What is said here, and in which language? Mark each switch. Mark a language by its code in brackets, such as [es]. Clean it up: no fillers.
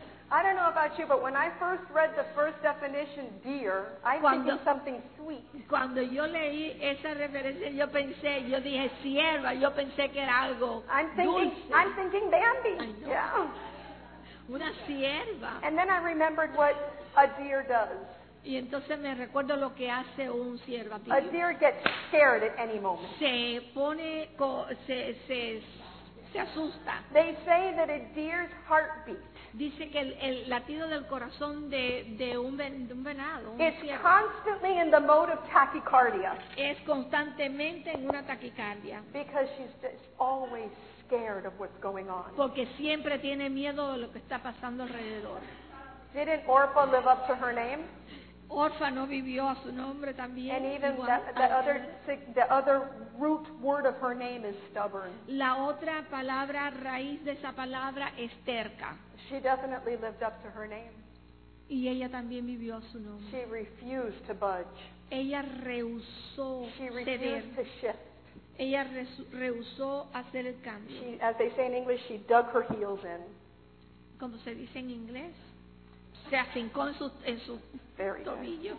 [en] I don't know about you, but when I first read the first definition, deer, I think of something sweet. [es] Cuando yo leí esa referencia, yo pensé, yo dije sierva, yo pensé que era algo dulce. [en] I'm thinking Bambi. Yeah. [es] Una sierva. [en] And then I remembered what a deer does. [es] Y entonces me recuerdo lo que hace un sierva. [en] A deer gets scared at any moment. [es] Se pone, se asusta. [en] They say that a deer's heartbeat. [es] Dice que el latido del corazón de un venado. [en] It's constantly in the mode of tachycardia. [es] Es constantemente en una taquicardia. [en] Because she's always scared of what's going on. [es] Porque siempre tiene miedo de lo que está pasando alrededor. [en] Didn't Orpah live up to her name? [es] Orpah no vivió a su nombre también. [en] And even the other root word of her name is stubborn. [es] La otra palabra raíz de esa palabra es terca. [en] She definitely lived up to her name. [es] Y ella también vivió a su nombre. [en] She refused to budge. [es] Ella rehusó ceder. [en] She refused to shift. [es] Ella rehusó hacer el cambio. [en] She, as they say in English, she dug her heels in. [es] Como se dice en inglés, se afincó en su tobillo.